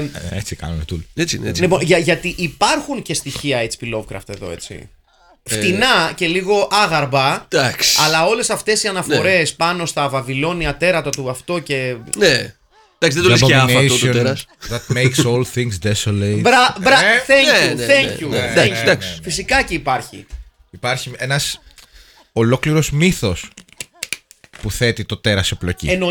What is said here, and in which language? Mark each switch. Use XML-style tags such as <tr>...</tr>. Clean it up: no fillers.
<el>έτσι κάνουμε tool. Έτσι. Λοιπόν, γιατί υπάρχουν και στοιχεία H.P. Lovecraft εδώ, έτσι. Φτηνά και λίγο άγαρμπα. Εντάξει. Αλλά όλες αυτές οι αναφορές πάνω στα Βαβυλώνια τέρατα του αυτό και. Ναι. Εντάξει, δεν το λες και άφα το τέρας.</el> <en>That makes all things desolate. Thank you.</en> <el>Φυσικά και υπάρχει. Υπάρχει ένας ολόκληρος μύθος που θέτει το τέρας σε πλοκή.</el>